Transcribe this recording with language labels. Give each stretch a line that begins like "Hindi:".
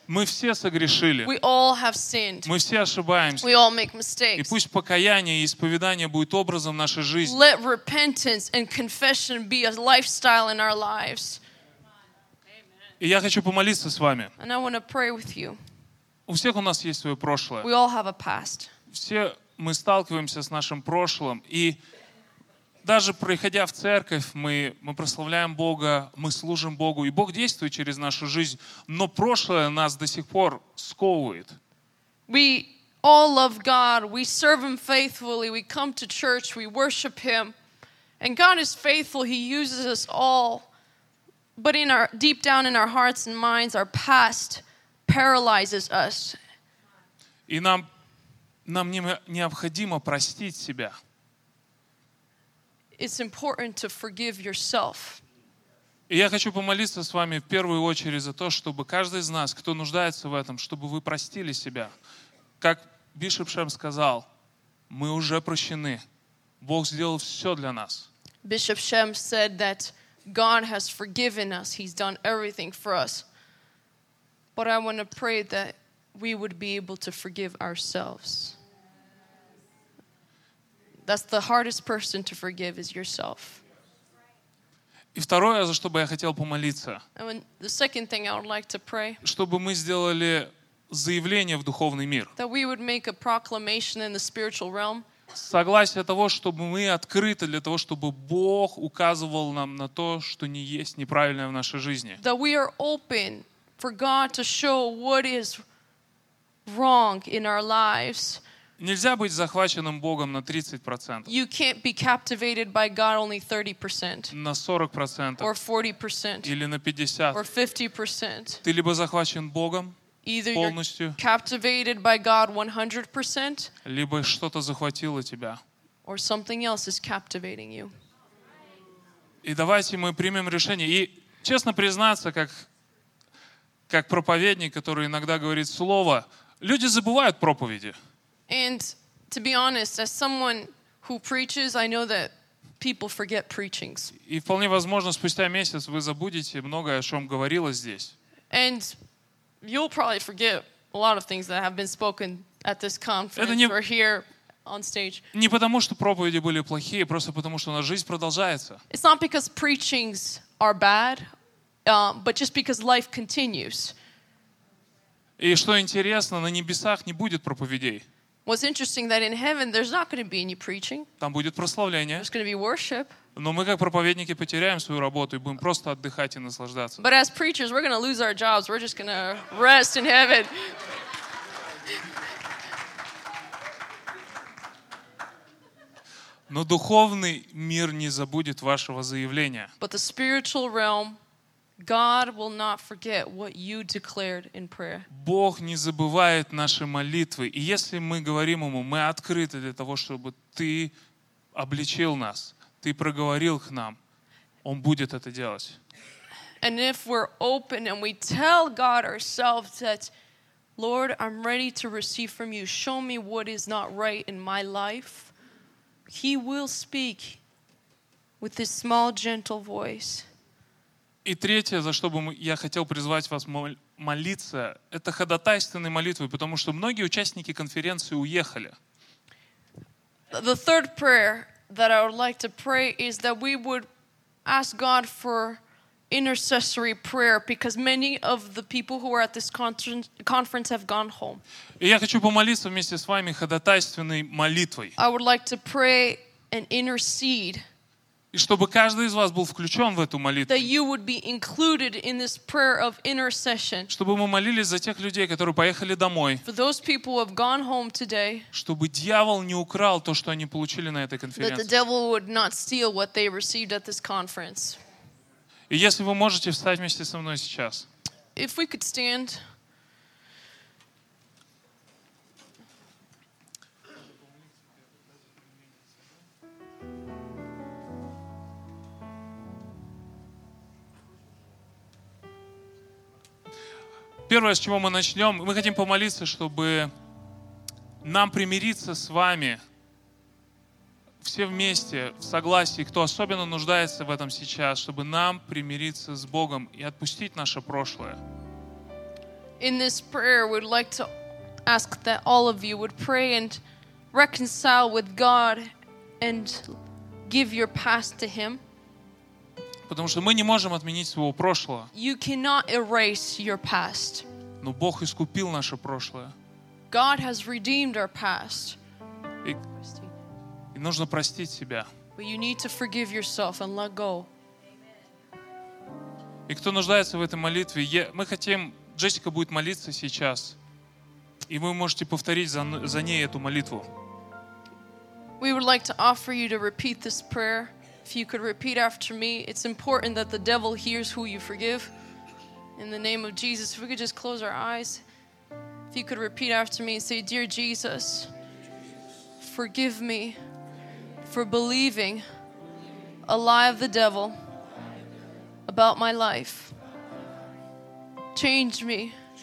Russian: Мы все согрешили.
English: We all have sinned.
Russian: Мы все ошибаемся.
English: We all make mistakes.
Russian: И пусть покаяние и исповедание будет образом нашей жизни.
English: Let repentance and confession be a lifestyle in our lives.
Russian: И я хочу помолиться с вами.
English: And I want to pray with you.
Russian: У всех у нас есть свое прошлое.
English: We all have a past.
Russian: Все мы сталкиваемся с нашим прошлым. И даже приходя в церковь, мы прославляем Бога, мы служим Богу. И Бог действует через нашу жизнь. Но прошлое нас до сих пор сковывает.
English: We all love God. We serve Him faithfully. We come to church. We worship Him. And God is faithful. He uses us all. But in our, deep down in our hearts and minds, our past paralyzes us.
Russian: И нам необходимо простить себя.
English: It's important to forgive yourself.
Russian: И я хочу помолиться с вами в первую очередь за то, чтобы каждый из нас, кто нуждается в этом, чтобы вы простили себя. Как Бишоп Шем сказал, мы уже прощены. Бог сделал все для нас.
English: Bishop Shem said that God has forgiven us. He's done everything for us. But I want to pray that we would be able to forgive ourselves. That's the hardest person to forgive is yourself.
Russian: И второе, за что бы я хотел помолиться.
English: And the second thing I would like to pray.
Russian: Чтобы мы сделали заявление в духовный мир.
English: That we would make a proclamation in the spiritual realm.
Russian: Согласие того, чтобы мы открыты для того, чтобы Бог указывал нам на то, что не есть неправильное в нашей жизни.
English: That we are open for God to show what is wrong in our lives.
Russian: Нельзя быть захваченным Богом на 30%.
English: You can't be captivated by God only 30%.
Russian: На 40%.
English: Or 40%.
Russian: Или на 50%.
English: Or 50%.
Russian: Ты либо захвачен Богом полностью.
English: Either you're captivated by God 100%.
Russian: Либо что-то захватило тебя.
English: Or something else is captivating you.
Russian: И давайте мы примем решение. И честно признаться, как проповедник, который иногда говорит слово, люди забывают проповеди.
English: And to be honest, as someone who preaches, I know that people forget preachings.
Russian: И вполне возможно, спустя месяц вы забудете многое, о чем говорилось здесь.
English: And you'll probably forget a lot of things that have been spoken at this conference or here on stage.
Russian: Не потому, что проповеди были плохие, просто потому, что у нас жизнь продолжается.
English: It's not because preachings are bad. But just because life continues.
Russian: И что интересно, на небесах не будет проповедей.
English: What's interesting that in heaven there's not going to be any preaching.
Russian: Там будет прославление.
English: There's going to be worship.
Russian: Но мы как проповедники потеряем свою работу и будем просто отдыхать и наслаждаться.
English: But as preachers, we're going to lose our jobs. We're just going to rest in heaven.
Russian: Но духовный мир не забудет вашего заявления.
English: But the spiritual realm, God will not forget what you declared in prayer.
Russian: Бог не забывает наши молитвы. И если мы говорим Ему, мы открыты для того, чтобы Ты обличил нас, Ты проговорил к нам, Он будет это делать.
English: And if we're open and we tell God ourselves that, Lord, I'm ready to receive from You, show me what is not right in my life, He will speak with His small, gentle voice.
Russian: И третье, за что бы я хотел призвать вас молиться, это ходатайственные молитвы, потому что многие участники конференции уехали.
English: The third prayer that I would like to pray is that we would ask God for intercessory prayer, because many of the people who are at this conference have gone home.
Russian: И я хочу помолиться вместе с вами ходатайственной молитвой.
English: I would like to pray and intercede.
Russian: И чтобы каждый из вас был включен в эту молитву.
English: That you would be included in this prayer of intercession.
Russian: Чтобы мы молились за тех людей, которые поехали домой.
English: For those people who have gone home today.
Russian: Чтобы дьявол не украл то, что они получили на этой конференции.
English: That the devil would not steal what they received at this conference.
Russian: И если вы можете встать вместе со мной сейчас.
English: If we could stand.
Russian: Первое, с чего мы начнем, мы хотим помолиться, чтобы нам примириться с вами все вместе, в согласии, кто особенно нуждается в этом сейчас, чтобы нам примириться с Богом и отпустить наше прошлое.
English: In this prayer, we'd like to ask that all of you would pray and reconcile with God and give your past to Him.
Russian: Потому что мы не можем отменить своего прошлого.
English: You cannot erase your past.
Russian: Но Бог искупил наше прошлое.
English: God has redeemed our past.
Russian: И нужно простить себя.
English: But you need to forgive yourself and let go.
Russian: И кто нуждается в этой молитве, мы хотим, Джессика будет молиться сейчас, и вы можете повторить за ней эту молитву.
English: We would like to offer you to repeat this prayer. If you could repeat after me, it's important that the devil hears who you forgive. In the name of Jesus, if we could just close our eyes. If you could repeat after me and say, Dear Jesus, forgive me for believing a lie of the devil about my life. Change me.